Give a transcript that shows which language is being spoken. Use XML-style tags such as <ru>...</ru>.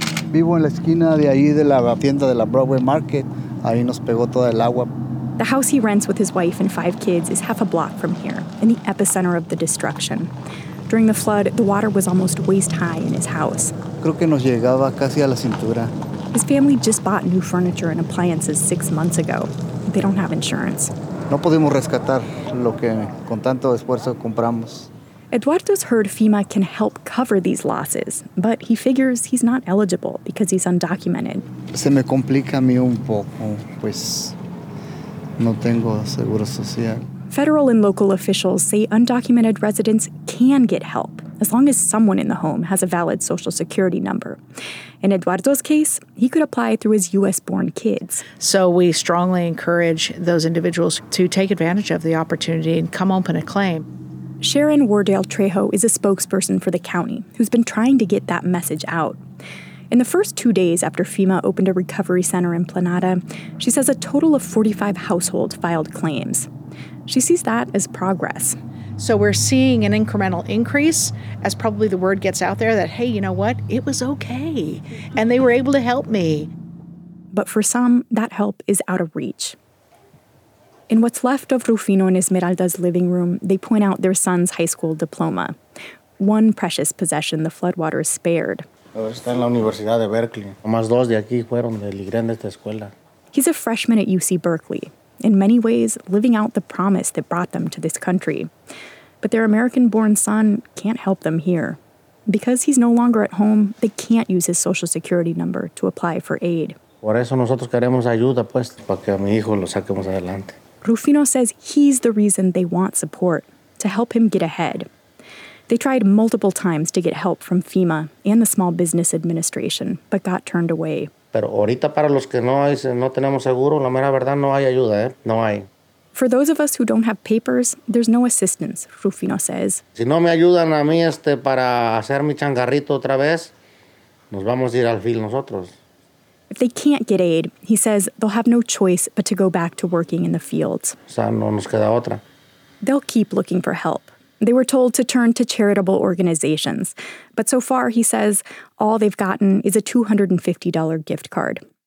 <es>Vivo en la esquina de ahí de la tienda de la Broadway Market. Ahí nos pegó toda el agua.</es> <en>The house he rents with his wife and five kids is half a block from here, in the epicenter of the destruction. During the flood, the water was almost waist high in his house.</en> <es>Creo que nos llegaba casi a la cintura.</es> <en>His family just bought new furniture and appliances 6 months ago. They don't have insurance.</en> <es>No podemos rescatar lo que con tanto esfuerzo compramos.</es> <en>Eduardo's heard FEMA can help cover these losses, but he figures he's not eligible because he's undocumented.</en> <es>Se me complica a mí un poco, pues no tengo seguro social.</es> <en>Federal and local officials say undocumented residents can get help as long as someone in the home has a valid social security number. In Eduardo's case, he could apply through his U.S.-born kids. So we strongly encourage those individuals to take advantage of the opportunity and come open a claim. Sharon Wardale Trejo is a spokesperson for the county who's been trying to get that message out. In the first 2 days after FEMA opened a recovery center in Planada, she says a total of 45 households filed claims. She sees that as progress. So we're seeing an incremental increase as probably the word gets out there that, hey, you know what? It was okay. And they were able to help me. But for some, that help is out of reach. In what's left of Rufino and Esmeralda's living room, they point out their son's high school diploma, one precious possession the floodwaters spared.</en> <es>Está en la Universidad de Berkeley. Más dos de aquí fueron del Ligren de esta escuela.</es> <en>He's a freshman at UC Berkeley, in many ways living out the promise that brought them to this country. But their American-born son can't help them here. Because he's no longer at home, they can't use his social security number to apply for aid.</en> <es>Por eso nosotros queremos ayuda, pues, para que a mi hijo lo saquemos adelante.</es> <en>Rufino says he's the reason they want support, to help him get ahead. They tried multiple times to get help from FEMA and the Small Business Administration, but got turned away.</en> <es>Pero ahorita para los que no tenemos seguro, la mera verdad no hay ayuda, ¿eh? No hay.</es> <en>For those of us who don't have papers, there's no assistance, Rufino says.</en> <es>Si no me ayudan a mí para hacer mi changarrito otra vez, nos vamos a ir al fil nosotros.</es> <en>If they can't get aid, he says they'll have no choice but to go back to working in the fields.</en> <es>O sea, no nos queda otra.</es> <en>They'll keep looking for help. They were told to turn to charitable organizations. But so far, he says, all they've gotten is a $250 gift card.</en>